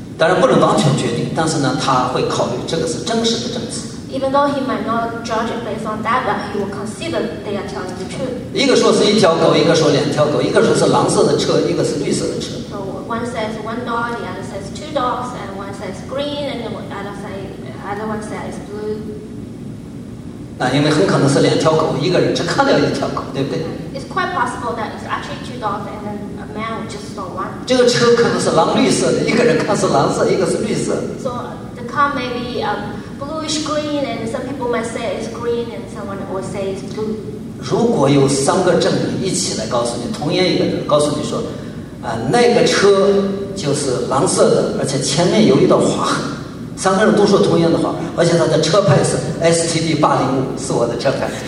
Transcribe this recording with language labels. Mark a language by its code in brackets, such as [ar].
[zh] 当然不能完全决定，但是呢，他会考虑这个是真实的证词。 [en] Even though he might not judge it based on that, but he will consider they are telling the truth. [zh] 一个说是一条狗，一个说两条狗，一个说是蓝色的车，一个是绿色的车。 [en] So one says one dog, the other says two dogs, and one says green, and the other one says blue. [zh] 因为很可能是两条狗，一个人只看到一条狗，对不对？ [en] It's quite possible that it's actually two dogs and then a man just saw one. [zh] 这个车可能是蓝绿色的，一个人看是蓝色，一个是绿色。 [en] So the car may be bluish green, and some people might say it's green, and someone will say it's blue. [zh] 如果有三个证人一起来告诉你，同样一个人告诉你说，那个车就是蓝色的，而且前面有一道划痕。三个人都说同样的话，而且他的车牌是 STD805，是我的车牌。